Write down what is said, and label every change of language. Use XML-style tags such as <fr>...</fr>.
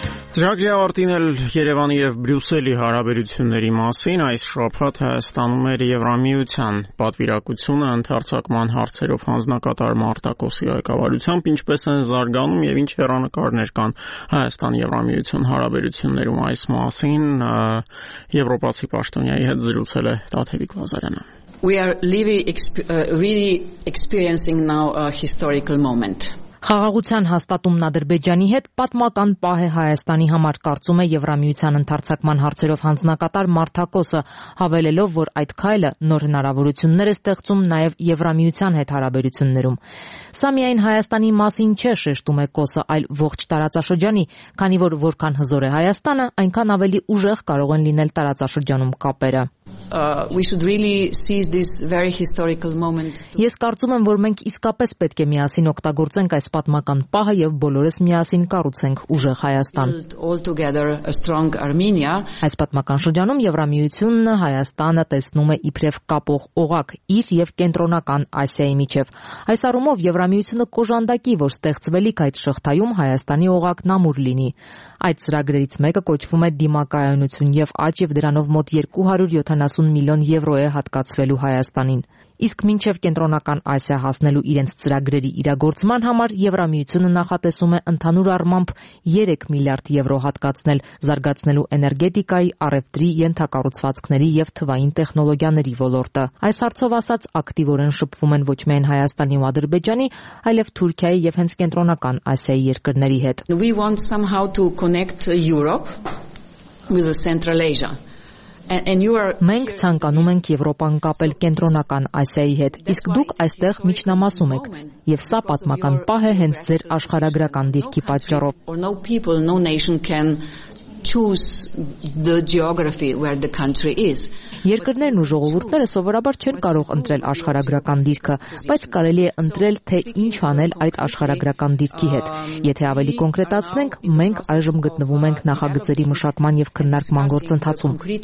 <hy>Ծրագրի ավարտին էլ Երևանի եւ Բրյուսելի հարաբերությունների մասին այս շաբաթ Հայաստանում էր Եվրամիության պատվիրակությունը ընդարձակման հարցերով հանձնակատար Մարտակոսի ղեկավարությամբ, ինչպես են զարգանում եւ ինչ հեռանկարներ կան Հայաստան-Եվրամիության հարաբերություններում այս մասին Եվրոպացի պաշտոնյայի հետ զրուցել է Տաթևիկ Լազարյանը.</hy> <en>We are really experiencing now a historical moment.</en> <hy>Խաղաղության հաստատումն Ադրբեջանի հետ պատմական պահ է Հայաստանի համար, կարծում է Եվրամիության ընդարձակման հարցերով հանձնակատար Մարտակոսը, հավելելով, որ այդ քայլը նոր հնարավորություններ է ստեղծում նաև Եվրամիության հետ հարաբերություններում։ Սա միայն Հայաստանի մասին չէ, շեշտում է Կոսը, այլ ողջ տարածաշրջանի, քանի որ որքան հզոր է Հայաստանը, այնքան ավելի ուժեղ կարող են լինել տարածաշրջանում կապերը։</hy> <en>We should really seize this very historical moment.</en> <hy>Ես կարծում եմ, որ մենք իսկապես պետք է միասին օգտագործենք այս պատմական պահը եւ բոլորս միասին կառուցենք ուժեղ Հայաստան. Այս պատմական շրջանում Եվրամիությունն ու Հայաստանը տեսնում է իբրև կապող օղակ իր եւ կենտրոնական Ասիայի միջև։ Այս առումով Եվրամիությունը կոժանդակի, որ ստեղծվելիք այդ շղթայում Հայաստանի օղակն ամուր լինի։ Այդ ծրագրերից մեկը կոչվում է դիմակայունություն եւ աճ, եւ դրանով մոտ 270 միլիոն եվրո է հատկացվելու Հայաստանին։ Իսկ մինչև կենտրոնական Ասիա հասնելու իրենց ծրագրերի իրագործման համար Եվրամիությունը նախատեսում է ընդհանուր առմամբ 3 միլիարդ եվրո հատկացնել զարգացնելու էներգետիկայի, առևտրի, ենթակառուցվածքների եւ թվային տեխնոլոգիաների ոլորտը։ Այս հարցով ասած ակտիվորեն շփվում են ոչ միայն Հայաստանի ու Ադրբեջանի, այլև Թուրքիայի եւ հենց կենտրոնական Ասիայի երկրների հետ։</hy> <en>We want somehow to connect Europe with the Central Asia.</en> <hy>Մենք ցանկանում ենք Եվրոպան կապել կենտրոնական Ասիայի հետ, իսկ դուք այստեղ միջնամասում եք, եւ սա պատմական պահ է հենց ձեր աշխարհագրական դիրքի պատճառով։ Երկրներն ու ժողովուրդները սովորաբար չեն կարող ընտրել աշխարհագրական դիրքը, բայց կարելի է ընտրել, թե ինչ անել այդ աշխարհագրական դիրքի հետ։ Եթե ավելի կոնկրետացնենք, մենք այժմ գտնվում ենք նախագծերի մշակման եւ քննարկման գործընթացում։</hy>